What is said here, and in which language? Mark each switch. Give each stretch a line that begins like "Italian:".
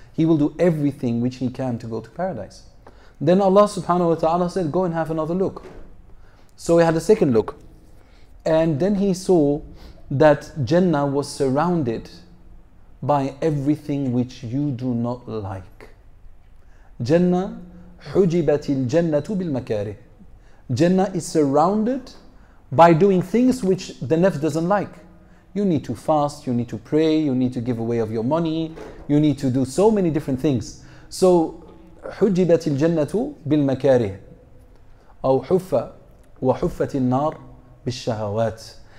English: He will do everything which he can to go to paradise. Then Allah subhanahu wa ta'ala said, go and have another look. So he had a second look. And then he saw that Jannah was surrounded by everything which you do not like.
Arabic: Jannah, حُجِبَتِ الْجَنَّةُ بِالْمَكَارِهِ.
English: Jannah is surrounded by doing things which the nafs doesn't like. You need to fast, you need to pray, you need to give away of your money, you need to do so many different things.
Arabic: So, حُجِبَتِ الْجَنَّةُ بِالْمَكَارِهِ أَوْ حُفَّ وَحُفَّتِ النَّارِ بِالشَّهَوَاتِ.